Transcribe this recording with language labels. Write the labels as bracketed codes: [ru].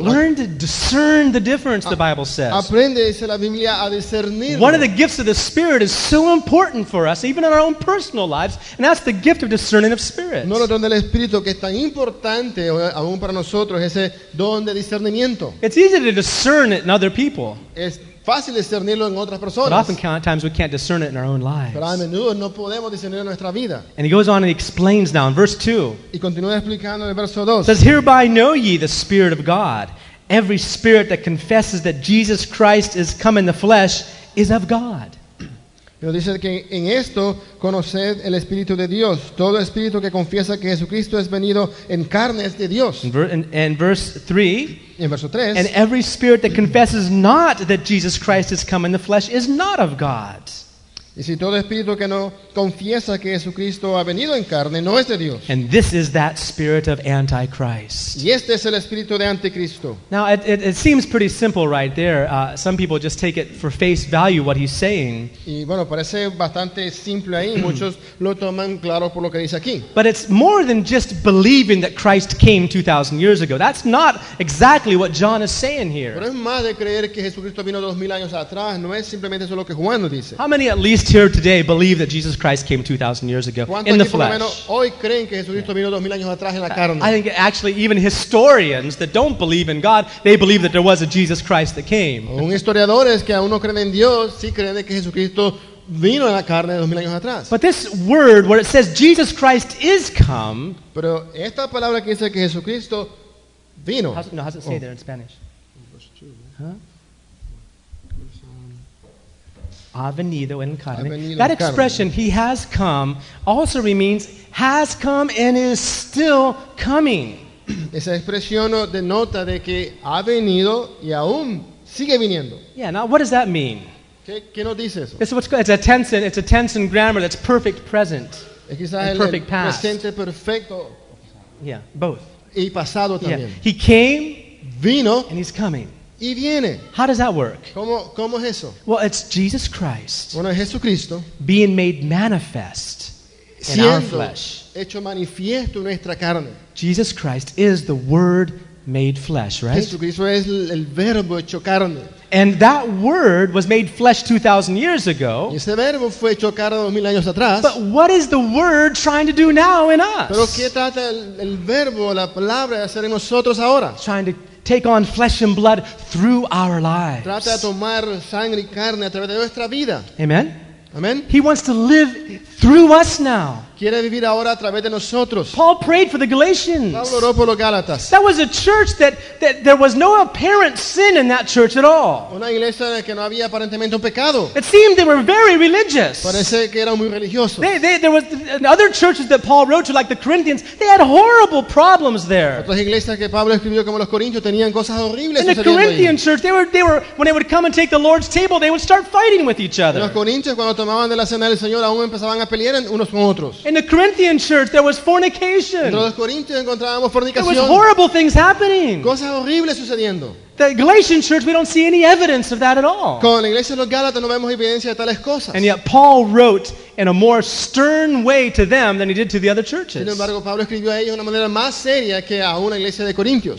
[en] Learn to discern the difference, the Bible says. [es] Aprende, dice la Biblia, a discernir. [en] One of the gifts of the Spirit is so important for us, even in our own personal lives, and that's the gift of discerning of spirits. [es] No, el don del Espíritu que es tan importante aún para nosotros, ese don de discernimiento. [en] It's easy to discern it in other people. [es] Es fácil discernirlo en otras personas. [en] But often times we can't discern it in our own lives. [es] Pero a menudo no podemos discernirlo en nuestra vida. [en] And he goes on and he explains now in verse 2. [es] Y continúa explicando en el verso 2. [en] Says, hereby know ye the Spirit of God. Every spirit that confesses that Jesus Christ is come in the flesh is of God. [es] Pero dice que en esto conoced el Espíritu de Dios. Todo espíritu que confiesa que Jesucristo es venido en carne es de Dios. [en] And verse 3. [es] En verso 3, [en] and every spirit that confesses not that Jesus Christ has come in the flesh is not of God. [es] Y si todo espíritu que no confiesa que Jesucristo ha venido en carne no es de Dios. [en] And this is that spirit of Antichrist. [es] Y este es el espíritu de Anticristo. [en] Now it seems pretty simple right there. Some people just take it for face value what he's saying. [es] Y bueno, parece bastante simple ahí. Muchos lo toman claro por lo que dice aquí. [en] But it's more than just believing that Christ came 2,000 years ago. That's not exactly what John is saying here. [es] Pero es más de creer que Jesucristo vino 2,000 años atrás. No es simplemente eso lo que Juan dice. [en] How many at least here today believe that Jesus Christ came 2,000 years ago in the flesh? [es] Hoy creen que Jesucristo vino 2,000 años atrás en la carne. [en] I think actually even historians that don't believe in God, they believe that there was a Jesus Christ that came. [es] Un historiador es que aún no creen en Dios, sí creen que Jesucristo vino en la carne 2,000 años atrás. [en] But this word where it says Jesus Christ is come, [es] pero esta palabra que dice que Jesucristo vino. [en] How does it say there in Spanish? [es] Ha venido en carne. [en] That expression, he has come, also means has come and is still coming. [es] Esa expresión denota de que ha venido y aún sigue viniendo. [en] Yeah, now what does that mean? [es] ¿Qué nos dice eso? [en] This is what's called, it's a tense in grammar, that's perfect present. Perfect past. [es] Presente perfecto. [en] Yeah, both. [es] Y pasado también. Yeah. [en] He came, [es] vino, [en] and he's coming. [es] Y viene. [en] How does that work? [es] ¿Cómo es eso? [en] Well, it's Jesus Christ. [es] Bueno, Jesucristo [en] being made manifest in our flesh. [es] Hecho manifiesto en nuestra carne. [en] Jesus Christ is the Word made flesh, right? [es] Jesucristo es el Verbo hecho carne. [en] And that Word was made flesh 2,000 years ago. [es] Y ese Verbo fue hecho carne 2,000 años atrás. [en] But what is the Word trying to do now in us? [es] Pero ¿qué trata el Verbo, la palabra, de hacer en nosotros ahora? [en] Trying to take on flesh and blood through our lives. [es] Trata de tomar sangre y carne a través de nuestra vida. [en] Amen. [es] Amen. [en] He wants to live through us now. [es] Quiere vivir ahora a través de nosotros. [en] Paul prayed for the Galatians. [es] Pablo oró por los Gálatas. [en] That was a church that there was no apparent sin in that church at all. [es] Una iglesia en la que no había aparentemente un pecado. [en] It seemed they were very religious. [es] Parece que eran muy religiosos. [en] There was other churches that Paul wrote to, like the Corinthians. They had horrible problems there. [es] Otras iglesias que Pablo escribió, como los Corintios, tenían cosas horribles. [en] In the Corinthian church, they were when they would come and take the Lord's table, they would start fighting with each other. [es] Los Corintios, cuando tomaban de la cena del Señor, aún empezaban a pelear unos con otros. [en] In the Corinthian church, there was fornication. [es] Entre los Corintios encontrábamos fornicación. [en] There was horrible things happening. [es] Cosas horribles sucediendo. [en] The Galatian church, we don't see any evidence of that at all. [es] Con la iglesia de los Gálatas no vemos evidencia de tales cosas. [en] And yet Paul wrote in a more stern way to them than he did to the other churches. [es] Sin embargo, Pablo escribió a ellos de una manera más seria que a una iglesia de Corintios.